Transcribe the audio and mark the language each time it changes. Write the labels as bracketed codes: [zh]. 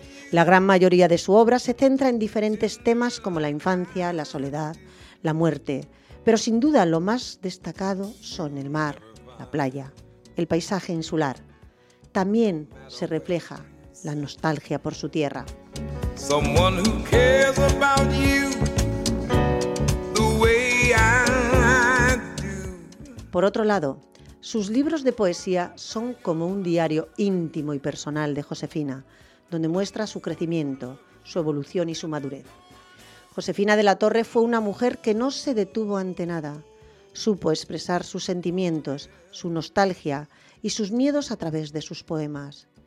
[es] La gran mayoría de su obra se centra en diferentes temas como la infancia, la soledad, la muerte, pero sin duda lo más destacado son el mar, la playa, el paisaje insular. También se refleja la nostalgia por su tierra. [en] someone who cares about you the way I do. [es] Por otro lado, sus libros de poesía son como un diario íntimo y personal de Josefina, donde muestra su crecimiento, su evolución y su madurez. Josefina de la Torre fue una mujer que no se detuvo ante nada. Supo expresar sus sentimientos, su nostalgia y sus miedos a través de sus poemas.